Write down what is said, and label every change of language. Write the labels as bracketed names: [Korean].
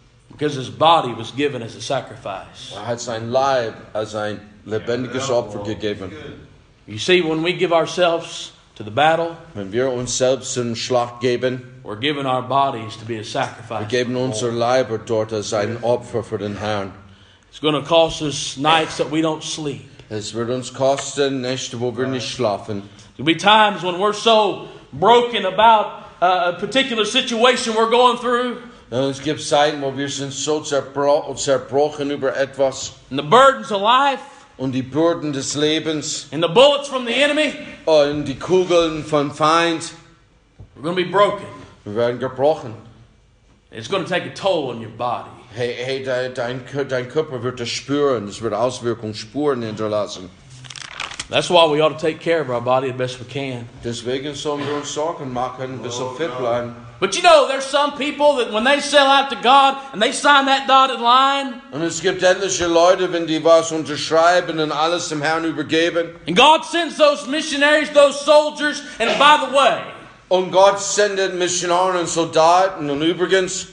[English] Because his body was given as a sacrifice. [German] Er hat sein Leib als ein lebendiges Opfer gegeben. [English] You see, when we give ourselves to the battle, [German] wenn wir uns selbst zum Schlag geben, [English] we're giving our bodies to be a sacrifice. [German] Wir geben unser Leiber dort als ein Opfer für den Herrn. [English] It's going to cost us nights that we don't sleep. [German] Es wird uns kosten Nächte, wo wir nicht schlafen. [English] There'll be times when we're so broken about a particular situation we're going through. [German] Es gibt Zeiten, wo wir sind so zerbrochen über etwas. [English] And the burdens of life. [German] und die Bürden des Lebens. [English] And the bullets from the enemy. [German] Und die Kugeln vom Feind. [English] We're gonna be broken. [German] Wir werden gebrochen. [English] It's gonna take a toll on your body. [German] Hey, dein Körper wird das spüren. Es wird Auswirkungen, Spuren hinterlassen. [English] That's why we ought to take care of our body the best we can. [German] Deswegen sollen wir uns Sorgen machen, bis wir fit bleiben. [English] But you know, there's some people that when they sell out to God and they sign that dotted line. [German] Und es gibt etliche Leute, wenn die was unterschreiben und alles dem Herrn übergeben. [English] And God sends those missionaries, those soldiers, and by the way. [German] Und Gott sendet Missionaren und Soldaten und übrigens.